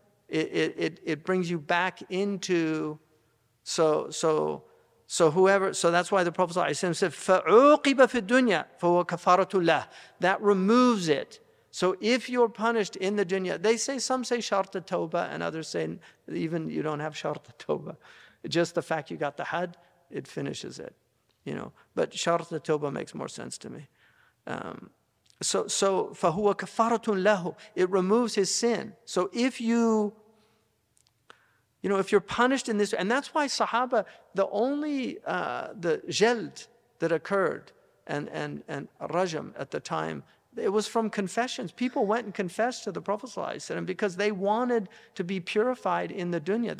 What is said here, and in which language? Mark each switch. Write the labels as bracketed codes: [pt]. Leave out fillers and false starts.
[en] It brings you back into, so that's why the Prophet ﷺ said, [ar] فَعُوقِبَ فِي الدُّنْيَا فَهُوَ كَفَارَةُ اللَّهِ. [en] That removes it. So if you're punished in the dunya, some say [ar] شَرْط التَّوْبَة, [en] and others say even you don't have شَرْط التَّوْبَة. Just the fact you got the had, it finishes it. You know, but [ar] شَرْط التَّوْبَة [en] makes more sense to me. So [ar] فَهُوَ كَفَارَةٌ لَهُ. [en] It removes his sin. So if you're punished in this, and that's why Sahaba, the only the jald that occurred and rajam at the time, it was from confessions. People went and confessed to the Prophet ﷺ because they wanted to be purified in the dunya.